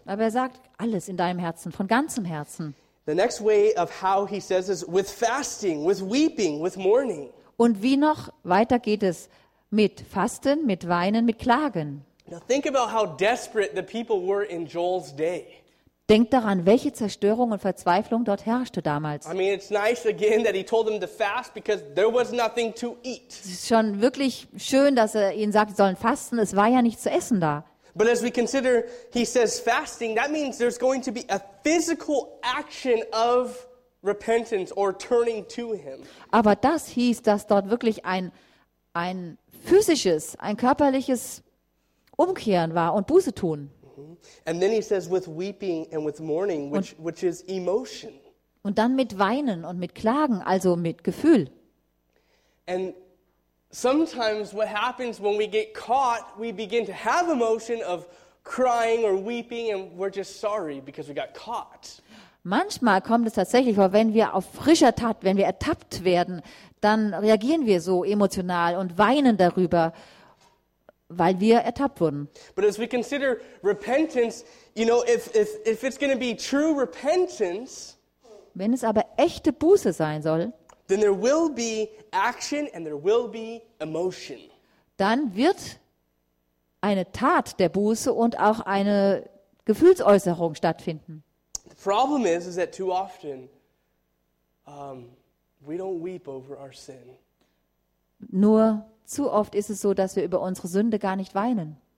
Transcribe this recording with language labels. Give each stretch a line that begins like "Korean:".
German: Aber er sagt alles in deinem Herzen, von ganzem Herzen.
English: The next way of how he says is with fasting, with weeping, with mourning.
German: Und wie noch weiter geht es? Mit Fasten, mit Weinen, mit Klagen.
English: Now think about how desperate the people were in Joel's day.
German: Denkt daran, welche Zerstörung und Verzweiflung dort herrschte damals.
English: I mean, it's nice again that he told them to fast because there was nothing to eat.
German: Es ist schon wirklich schön, dass er ihnen sagt, sie sollen fasten, es war ja nichts zu essen da.
English: But as we consider, he says fasting, that means there's going to be a physical action of repentance or turning to him.
German: Aber das hieß, dass dort wirklich ein physisches, ein körperliches Umkehren war und Buße tun.
English: And then he says with weeping and with mourning, which is emotion.
German: Und dann mit Weinen und mit Klagen, also mit Gefühl.
English: And sometimes what happens when we get caught, we begin to have emotion of crying or weeping and we're just sorry because we got caught.
German: Manchmal kommt es tatsächlich vor, wenn wir auf frischer Tat, wenn wir ertappt werden, dann reagieren wir so emotional und weinen darüber, weil wir ertappt wurden.
English: But as we consider repentance, you know, if it's going to be true repentance,
German: wenn es aber echte Buße sein soll,
English: then there will be action and there will be emotion.
German: Dann wird eine Tat der Buße und auch eine Gefühlsäußerung stattfinden.
English: The problem is that too often we don't weep over our sin.
German: Nur zu oft ist es so, dass wir über unsere Sünde gar nicht weinen.